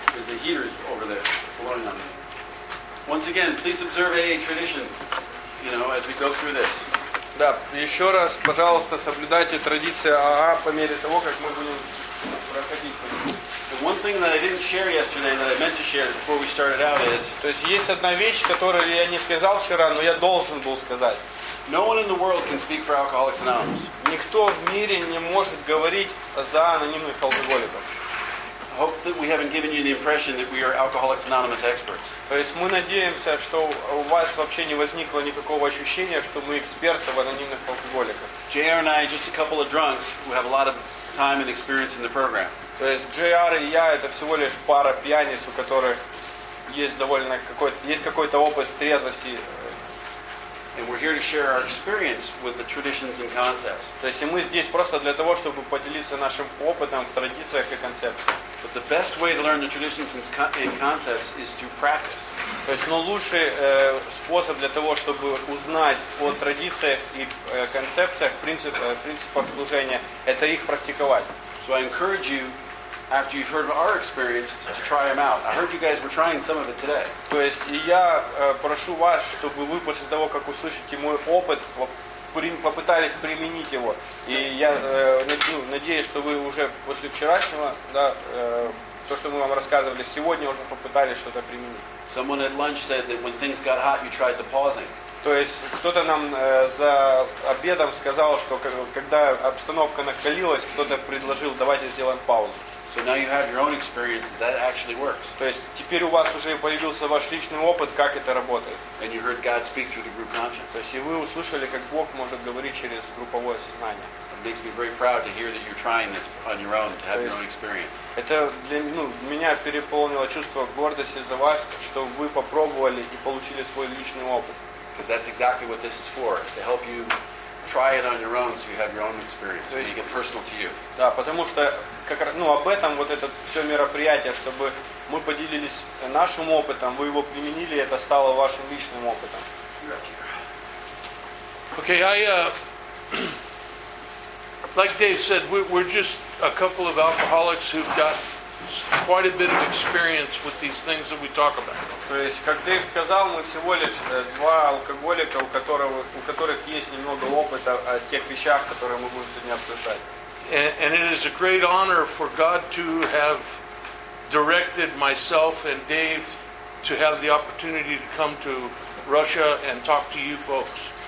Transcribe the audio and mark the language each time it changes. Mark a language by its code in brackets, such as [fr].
[en] Because the heater is over there, blowing on me. Once again, please observe AA tradition, as we go through this. [ru] Да, еще раз, пожалуйста, соблюдайте традиции АА по мере того, как мы будем проходить. [en] The one thing that I didn't share yesterday that I meant to share before we started out is... [ru] То есть одна вещь, которую я не сказал вчера, но я должен был сказать. [en] No one in the world can speak for Alcoholics Anonymous. [ru] Никто в мире не может говорить за анонимных алкоголиков. [en] I hope that we haven't given you the impression that we are Alcoholics Anonymous experts. [ru] То есть мы надеемся, что у вас вообще не возникло никакого ощущения, что мы эксперты в анонимных алкоголиках. [en] JR and I are just a couple of drunks who have a lot of time and experience in the program. [ru] То есть JR и я это всего лишь пара пьяниц, у которых есть какой-то опыт в трезвости. [en] And we're here to share our experience with the traditions and concepts. [ru] То есть мы здесь просто для того, чтобы поделиться нашим опытом в традициях и концепциях. [en] But the best way to learn the traditions and concepts is through practice. [ru] То есть лучший способ для того, чтобы узнать о традициях и концепциях, принципах служения, это их практиковать. [en] So I encourage you, after you've heard of our experience, to try them out. I heard you guys were trying some of it today. [ru] То есть я прошу вас, чтобы вы после того, как услышите мой опыт, попытались применить его. И я надеюсь, что вы уже после вчерашнего, то, что мы вам рассказывали, сегодня уже попытались что-то применить. [en] Someone at lunch said that when things got hot, you tried the pausing. [ru] То есть кто-то нам за обедом сказал, что когда обстановка накалилась, кто-то предложил, давайте сделаем паузу. [en] So now you have your own experience that actually works. [ru] То есть теперь у вас уже появился ваш личный опыт, как это работает. [en] And you heard God speak through the group conscience. [ru] То есть вы услышали, как Бог может говорить через групповое сознание. [en] It makes me very proud to hear that you're trying this on your own to have your own experience. [ru] Это для меня переполнило чувство гордости за вас, что вы попробовали и получили свой личный опыт. [en] Because that's exactly what this is for, is to help you try it on your own so you have your own experience. Make it personal to you. [ru] Да, потому что как раз, об этом вот это все мероприятие, чтобы мы поделились нашим опытом, вы его применили, это стало вашим личным опытом. [en] Okay, I like Dave said, we're just a couple of alcoholics who've got quite a bit of experience with these things that we talk about. [ru] То есть, как Дэйв сказал, мы всего лишь два алкоголика, у которых есть немного опыта о тех вещах, которые мы будем сегодня обсуждать. [en] And it is a great honor for God to have directed myself and Dave to have the opportunity to come to Russia and talk to you folks.